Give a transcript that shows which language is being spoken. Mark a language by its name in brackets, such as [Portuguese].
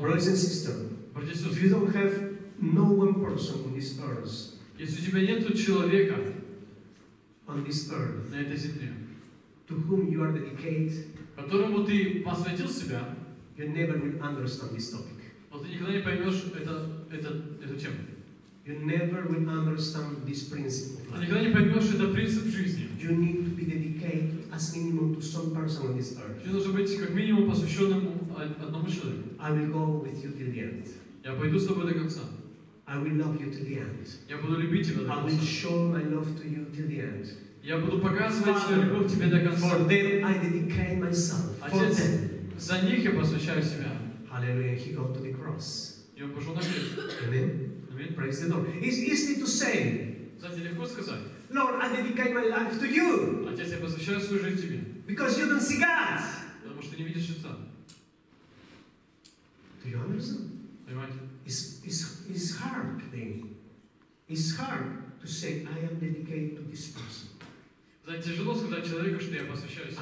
[English] Brothers and sisters, if you don't have no one person on this earth, [Russian] если у тебя нету человека [English] on this earth, [Russian] на этой земле, [English] to whom you are dedicated, [Russian] которому ты посвятил себя, [English] you never will understand this topic. [Russian] Вот ты никогда не поймешь эту тему. [English] You never will understand this principle. [Russian] А никогда не поймешь это принцип жизни. [English] You need to be dedicated as minimum to some person on this earth. [Russian] Ты должен быть как минимум посвященным одному человеку. [English] I will go with you till the end. [Russian] Я пойду с тобой до конца. [English] I will love you till the end. [Russian] Я буду любить тебя до конца. [English] I will show my love to you till the end. [Russian] Я буду показывать [English] Father, [Russian] свою любовь тебе до конца. [English] For them I dedicate myself. [Russian] Отец, за них я посвящаю себя. [English] Hallelujah. He got to the cross. [Russian] И он пошел на крест. [English] Amen. Amen. Praise the Lord. It's easy to say. [Russian] Знаете, легко сказать. [English] Lord, I dedicate my life to you. [Russian] Отец, я посвящаю свою жизнь тебе. [English] Because you don't see God. [Russian] Потому что не видишь Отца. [English] Do you understand? [Russian] Понимаете? [English] It's hard thing. It's hard to say I am dedicated to this person. [Russian] Знаете, тяжело сказать человеку, что я посвящаю себя.